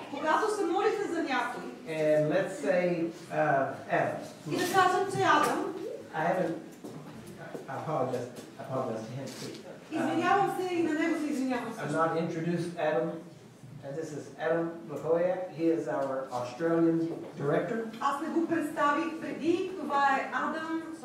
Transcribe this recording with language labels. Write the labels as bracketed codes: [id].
[bg] Когато се молите за някой. [en] And let's say Adam. [bg] И да кажем, че Адам. [en] I apologize to him too. [bg] Извинявам се и на него се извинявам. [en] I'm not introduced Adam. And this is Adam Lakoya. He is our Australian director. [bg] Аз не го представих преди. Това е Адам.